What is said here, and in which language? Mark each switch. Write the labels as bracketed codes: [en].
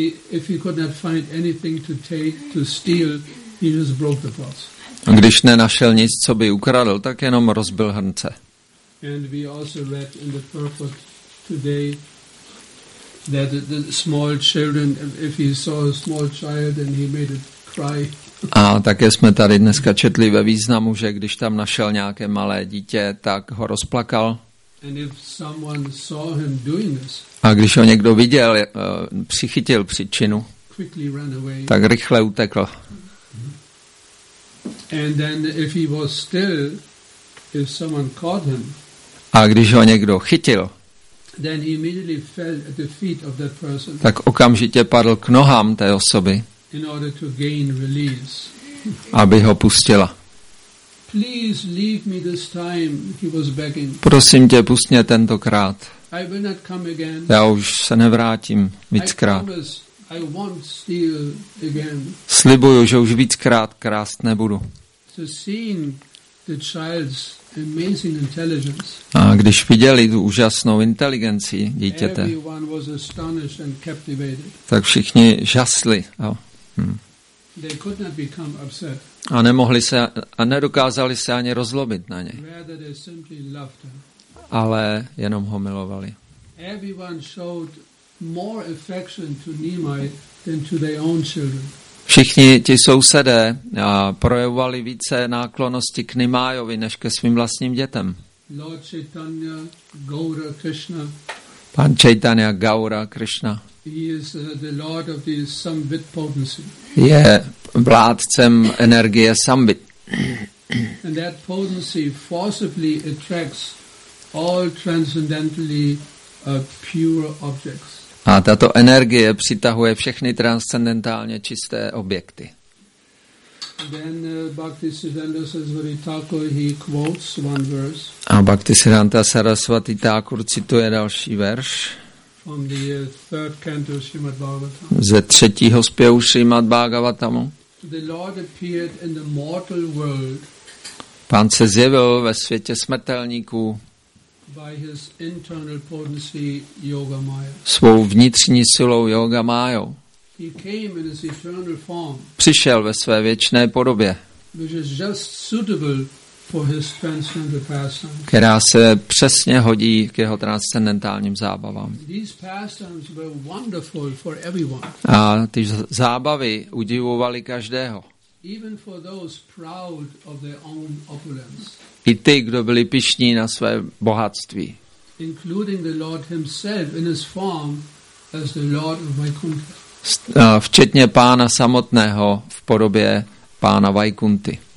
[en] If he could not find anything to take to steal, he just broke the pots. [cs] Když nenašel nic, co by ukradl, tak jenom rozbil hrnce. [en] And we also read in the purport today that the small children, if he saw a small child and he made it cry. [cs] A také jsme tady dneska četli ve významu, že když tam našel nějaké malé dítě, tak ho rozplakal. [en] And if someone saw him doing this, [cs] a když ho někdo viděl, přichytil příčinu, [en] quickly ran away. [cs] Tak rychle utekl. [en] And then if he was still, if someone caught him, [cs] a když ho někdo chytil, [en] then he immediately fell at the feet of that person, [cs] tak okamžitě padl k nohám té osoby, [en] in order to gain release, [cs] aby ho pustila. [en] Please leave me this time, he was begging. [cs] Prosím tě, pust mě tentokrát. [en] I will not come again. [cs] Já už se nevrátím víckrát. [en] I won't steal again. [cs] Slibuju, že už víckrát krást nebudu. [en] So seeing the child's amazing intelligence. [cs] A když viděli tu úžasnou inteligenci dítěte, [en] everyone was astonished and captivated. [cs] Tak všichni žasli. [en] They could not become upset. [cs] A nemohli se a nedokázali se ani rozlobit na ně. [en] Rather they simply loved him. [cs] Ale jenom ho milovali. [en] Everyone showed more affection to Nimai than to their own children. [cs] Všichni ti sousedé projevovali více náklonosti k Nimájovi než ke svým vlastním dětem. [en] Lord Chaitanya, Gaura, Krishna. [cs] Pan Chaitanya Gaura Krishna. [en] He is the lord of the Samvit potency. [cs] Je vládcem energie Samvit. [en] And that potency forcibly attracts all transcendentally pure objects. [cs] A tato energie přitahuje všechny transcendentálně čisté objekty. [en] Then, Bhaktisiddhanta Saraswati Thakur, he quotes one verse. [cs] A Bhaktisiddhanta Saraswati Thakur cituje další verš [en] from the third canto of Srimad Bhagavatam. [cs] Ze třetího zpěvu Srimad Bhagavatamu. [en] The Lord appeared in the mortal world. [cs] Pán se zjevil ve světě smrtelníků. [en] By his internal potency, Yoga Maya. [cs] Svou vnitřní silou Yoga Maya. [en] He came in his eternal form. [cs] Přišel ve své věčné podobě. [en] Which is just suitable for his transcendental pastimes. [cs] Která se přesně hodí k jeho transcendentálním zábavám. [en] These pastimes were wonderful for everyone. [cs] A ty zábavy udivovaly každého. [en] Even for those proud of their own opulence. [cs] I ty, kdo byli pyšní na své bohatství. [en] Including the Lord himself in his form as the Lord of Vaikuntha. [cs] Včetně pána samotného v podobě pána Vaikunty.